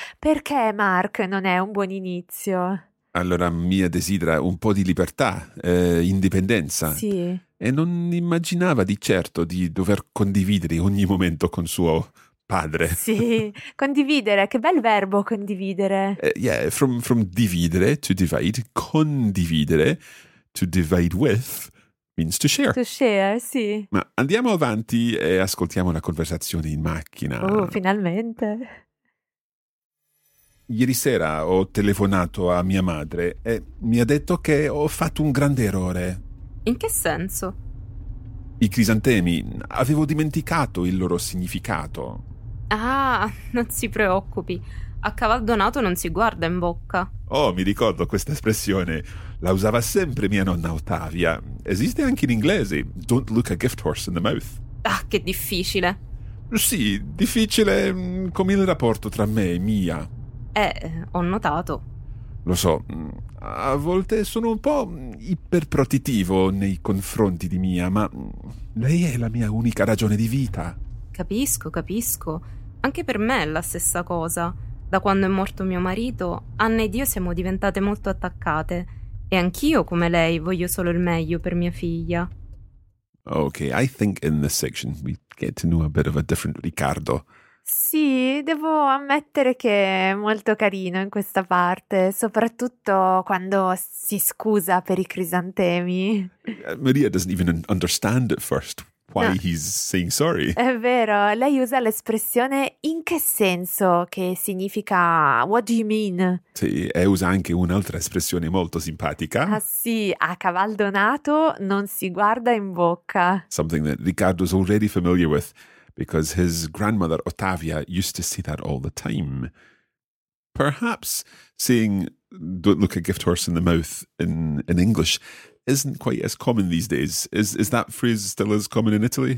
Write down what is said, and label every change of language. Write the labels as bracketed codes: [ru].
[it] Perché Mark non è un buon inizio? Allora, Mia desidera un po' di libertà, indipendenza. Sì. E non immaginava di certo di dover condividere ogni momento con suo padre. Sì, condividere, che bel verbo condividere. [en] Yeah, from dividere, to divide, condividere, to divide with, means to share. To share, sì. [it] Ma andiamo avanti e ascoltiamo la conversazione in macchina. Oh, finalmente. Ieri sera ho telefonato a mia madre e mi ha detto che ho fatto un grande errore. In che senso? I crisantemi, avevo dimenticato il loro significato. Ah, non si preoccupi. A caval donato non si guarda in bocca. Oh, mi ricordo questa espressione. La usava sempre mia nonna Ottavia. Esiste anche in inglese. [en] Don't look a gift horse in the mouth. [it] Ah, che difficile. Sì, difficile come il rapporto tra me e Mia. Ho notato. Lo so, a volte sono un po' iperprotettivo nei confronti di Mia, ma lei è la mia unica ragione di vita. Capisco, capisco. Anche per me è la stessa cosa. Da quando è morto mio marito, Anna ed io siamo diventate molto attaccate. E anch'io, come lei, voglio solo il meglio per mia figlia. [en] Ok, I think in this section we get to know a bit of a different Riccardo. [it] Sì, devo ammettere che è molto carino in questa parte, soprattutto quando si scusa per i crisantemi. [en] Maria doesn't even understand at first. Why no. He's saying sorry. [it] È vero, lei usa l'espressione in che senso, che significa [en] what do you mean? [it] Sì, e usa anche un'altra espressione molto simpatica. Ah sì, a caval donato non si guarda in bocca. [en] Something that Riccardo's already familiar with, because his grandmother Ottavia used to say that all the time. Perhaps saying don't look a gift horse in the mouth in English isn't quite as common these days. Is that phrase still as common in Italy?